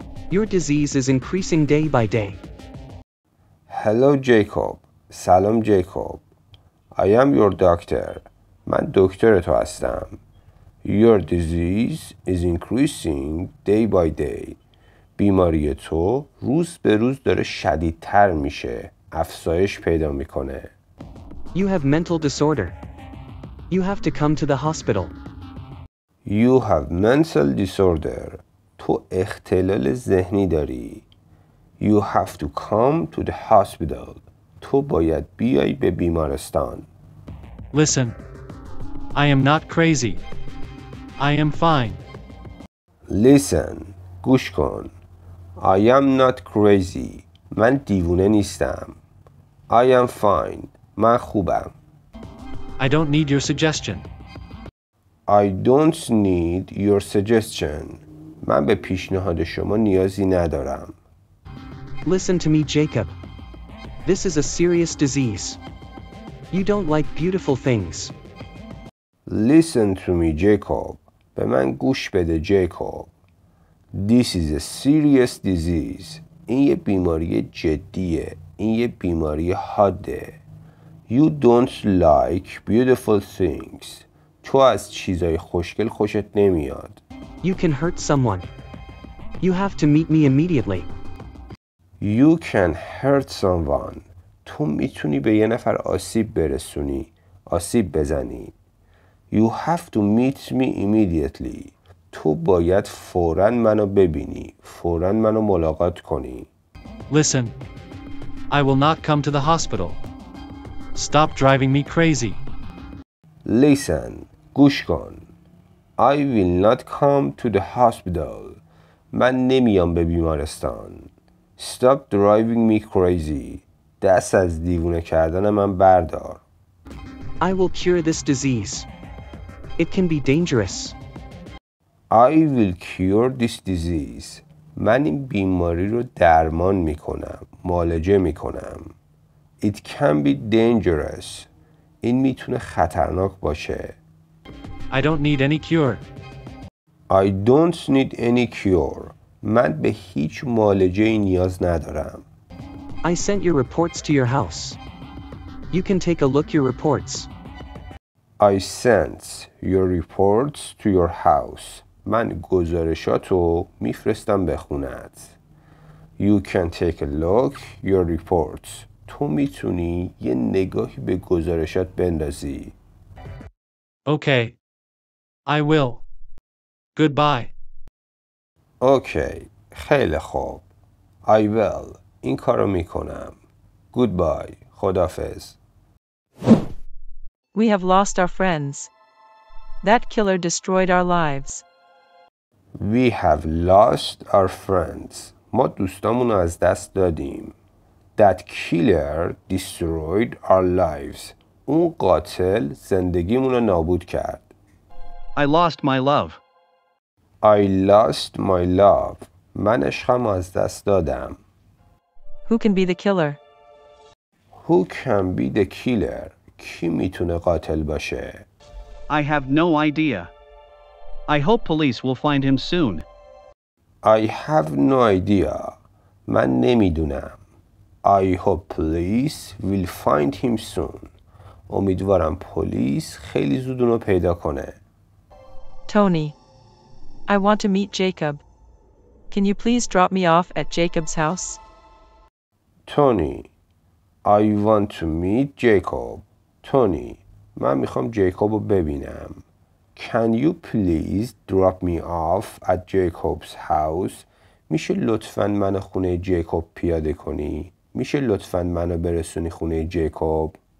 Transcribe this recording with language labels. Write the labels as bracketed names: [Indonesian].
[English] Your disease is increasing day by day. Hello, Jacob. سلام, Jacob. I am your doctor. [Persian] من دکتر تو هستم. [English] Your disease is increasing day by day. [Persian] بیماری تو روز به روز داره شدیدتر میشه. افزایش پیدا میکنه. [English] You have mental disorder. You have to come to the hospital. You have mental disorder. [Persian] تو اختلال ذهنی داری. [English] You have to come to the hospital. [Persian] تو باید بیای به بیمارستان. [English] Listen. I am not crazy. I am fine. Listen. [Persian] گوش کن. [English] I am not crazy. [Persian] من دیوونه نیستم. [English] I am fine. [Persian] من خوبم. [English] I don't need your suggestion. I don't need your suggestion. [Persian] من به پیشنهاد شما نیازی ندارم. [English] Listen to me, Jacob. This is a serious disease. You don't like beautiful things. Listen to me, Jacob. [Persian] به من گوش بده, Jacob. [English] This is a serious disease. [Persian] این یه بیماری جدیه. این یه بیماری حاده. [English] You don't like beautiful things. [Persian] تو از چیزای خوشگل خوشت نمیاد. [English] You can hurt someone. You have to meet me immediately. You can hurt someone. [Persian] تو میتونی به یه نفر آسیب برسونی. آسیب بزنی. [English] You have to meet me immediately. [Persian] تو باید فوراً منو ببینی. فوراً منو ملاقات کنی. [English] Listen. I will not come to the hospital. Stop driving me crazy. Listen. [Persian] گوش کن. [English] I will not come to the hospital. [Persian] من نمیام به بیمارستان. [English] Stop driving me crazy. [Persian] دست از دیوونه کردن من بردار. [English] I will cure this disease. It can be dangerous. I will cure this disease. [Persian] من این بیماری رو درمان میکنم. معالجه میکنم. [English] It can be dangerous. [Persian] این میتونه خطرناک باشه. [English] I don't need any cure. I don't need any cure. [Persian] من به هیچ معالجه‌ای نیاز ندارم. [English] I sent your reports to your house. You can take a look your reports. I sent your reports to your house. [Persian] من گزارشاتو میفرستم به خونت. [English] You can take a look your reports. [Persian] تو میتونی یه نگاهی به گزارشات بندازی. [English] Okay. I will. Goodbye. Okay. [Persian] خیلی خوب. [English] I will. [Persian] این کارو میکنم. Goodbye. خدافظ. [English] We have lost our friends. That killer destroyed our lives. We have lost our friends. [Persian] ما دوستامونو از دست دادیم. [English] That killer destroyed our lives. [Persian] اون قاتل زندگیمونو نابود کرد. [English] I lost my love. I lost my love. [Persian] من عشقم رو از دست دادم. [English] Who can be the killer? Who can be the killer? [Persian] کی میتونه قاتل باشه؟ [English] I have no idea. I hope police will find him soon. I have no idea. [Persian] من نمیدونم. [English] I hope police will find him soon. [Persian] امیدوارم پلیس خیلی زود اونو پیدا کنه. [English] Tony, I want to meet Jacob. Can you please drop me off at Jacob's house? Tony, I want to meet Jacob. [Persian] Tony, من میخوام جیکوب رو ببینم. [English] Can you please drop me off at Jacob's house? [Persian] میشه لطفاً منو خونه جیکوب پیاده کنی؟ میشه لطفاً منو برسونی خونه جیکوب؟